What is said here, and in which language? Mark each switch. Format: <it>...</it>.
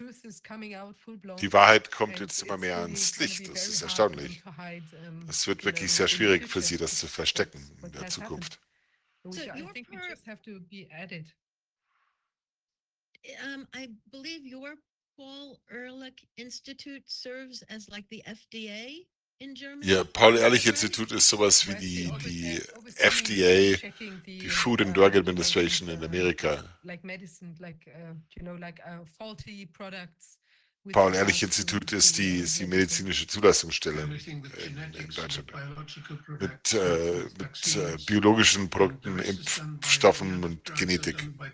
<de>Die Wahrheit kommt jetzt immer mehr ans Licht. Das ist erstaunlich. Es wird wirklich sehr schwierig für sie, das zu verstecken in der Zukunft.</de> <en>I believe your Paul Ehrlich Institute serves as like the FDA in Germany.</en> <de>Ja, Paul Ehrlich Institut ist sowas wie die FDA, die Food and Drug Administration in Amerika.</de> <en>Like medicine, like you know, like faulty products.</en> <de>Paul Ehrlich Institut ist die medizinische Zulassungsstelle in Deutschland. Mit biologischen Produkten, Impfstoffen und Genetik.</de>